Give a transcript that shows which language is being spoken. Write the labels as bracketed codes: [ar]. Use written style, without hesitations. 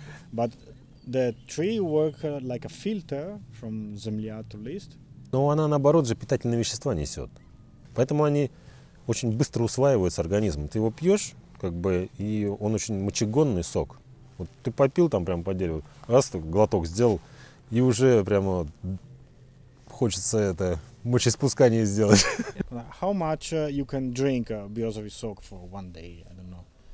[en] But the tree work like a filter from [ru] земля [en] to list. [ru] Но она наоборот же питательные вещества несет. Поэтому они очень быстро усваиваются организмом. Ты его пьешь, как бы, и он очень мочегонный сок. Вот ты попил там прямо по дереву, раз глоток сделал, и уже прямо хочется это мочеиспускание сделать. [en] How much you can drink [ru] biozovi sok [en] for one day? I don't know.